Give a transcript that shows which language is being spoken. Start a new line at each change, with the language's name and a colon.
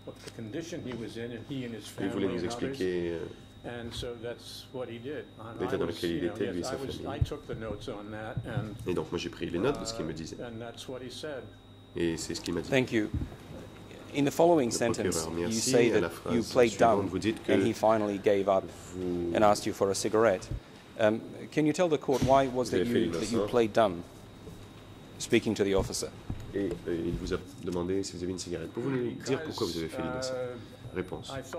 English: The condition he was in, and he and his family.
French: Il voulait nous expliquer.
English: And so that's what he did.
French: L'état dans lequel il était, lui et sa famille.
English: I took the notes on that, and.
French: Et donc moi j'ai pris les notes de ce qu'il me disait.
English: And that's what he said.
French: Et c'est ce qu'il m'a dit.
English: Thank you. In the following sentence, you say that you played dumb, and he finally gave up, and asked you for a cigarette. Can you tell the court why was it that you played dumb, speaking to the officer?
French: Et il vous a demandé si vous avez une cigarette. Pouvez-vous nous dire pourquoi vous avez fait les messages? Réponse.